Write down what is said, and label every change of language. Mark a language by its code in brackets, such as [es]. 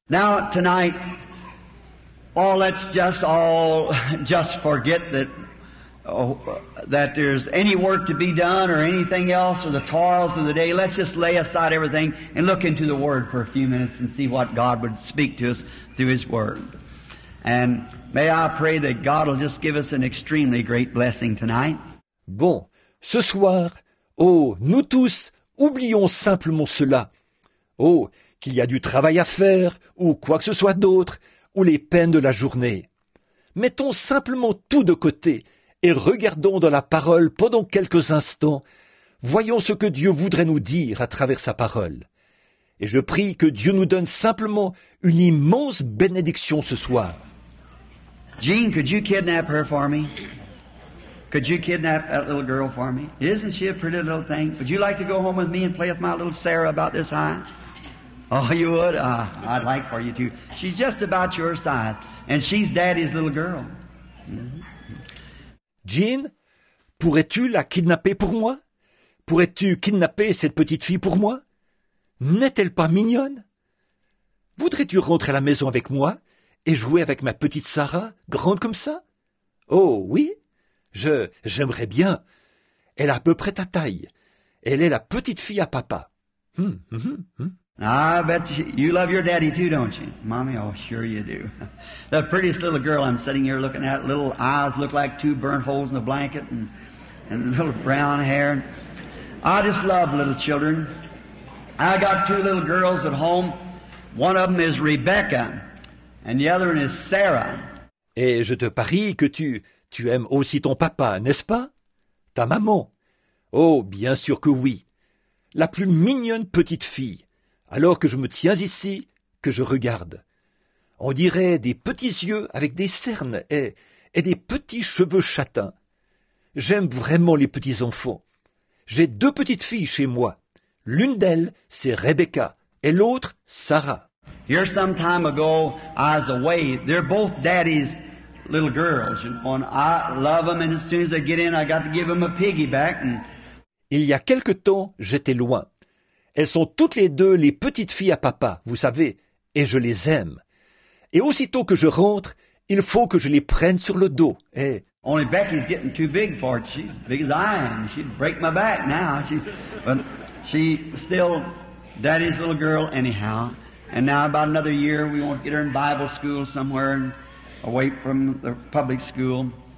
[en] Now, tonight, oh, let's just all just forget that, oh, that there's any work to be done or anything else or the toils of the day. Let's just lay aside everything and look into the Word for a few minutes and see what God would speak to us through His Word. And may I pray that God will just give us an extremely great blessing tonight. [fr] Bon, ce soir, oh, nous tous, oublions simplement cela. Oh, qu'il y a du travail à faire, ou quoi que ce soit d'autre, ou les peines de la journée. Mettons simplement tout de côté et regardons dans la parole pendant quelques instants. Voyons ce que Dieu voudrait nous dire à travers sa parole. Et je prie que Dieu nous donne simplement une immense bénédiction ce soir. [en] Jean, could you kidnap her for me? Could you kidnap that little girl for me? Isn't she a pretty little thing? Would you like to go home with me and play with my little Sarah about this high? Oh, you would? I'd like for you to. She's just about your size, and she's daddy's little girl. [fr] Jean, pourrais-tu la kidnapper pour moi? Pourrais-tu kidnapper cette petite fille pour moi? N'est-elle pas mignonne? Voudrais-tu rentrer à la maison avec moi et jouer avec ma petite Sarah, grande comme ça? Oh oui, j'aimerais bien. Elle a à peu près ta taille. Elle est la petite fille à papa. [en] I bet you love your daddy too, don't you? Mommy, oh, sure you do. The prettiest little girl I'm sitting here looking at, little eyes look like two burnt holes in the blanket and little brown hair. I just love little children. I got two little girls at home. One of them is Rebecca and the other one is Sarah. [fr] Et je te parie que tu aimes aussi ton papa, n'est-ce pas? Ta maman? Oh, bien sûr que oui. La plus mignonne petite fille. Alors que je me tiens ici, que je regarde. On dirait des petits yeux avec des cernes et des petits cheveux châtains. J'aime vraiment les petits enfants. J'ai deux petites filles chez moi. L'une d'elles, c'est Rebecca, et l'autre, Sarah. [en] Here some time ago, I was away. They're both daddy's little girls. You know, and I love them, and as soon as I get in, I got to give them a piggyback. And... [fr] Il y a quelque temps, j'étais loin. Elles sont toutes les deux les petites filles à papa, vous savez, et je les aime. Et aussitôt que je rentre, il faut que je les prenne sur le dos. Et... [en] Only Becky's getting too big for it. She's big as I am. She'd break my back now. But she's still daddy's little girl anyhow. And now about another year, we won't get her in Bible school somewhere and away from the public school.